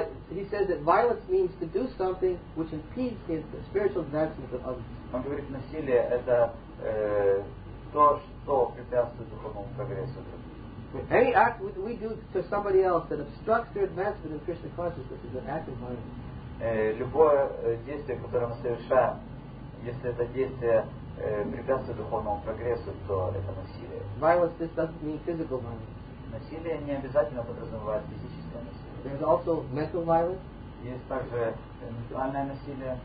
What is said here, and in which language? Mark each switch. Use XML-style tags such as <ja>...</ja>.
<en>He says that violence means to do something which impedes the spiritual advancement of others.</en> <ru>Он говорит, насилие это то, что препятствует духовному прогрессу.</ru> <en>Any act we do to somebody else that obstructs their advancement in Krishna consciousness is an act of violence.</en> <ru>Любое действие, которое мы совершаем, если это действие препятствует духовному прогрессу, то это насилие.</ru> <en>Violence just doesn't mean physical violence.</en> <ru>Насилие не обязательно подразумевает физическое насилие.</ru> <en>There's also mental violence.</en> <ru>Есть также эмоциональное насилие.</ru>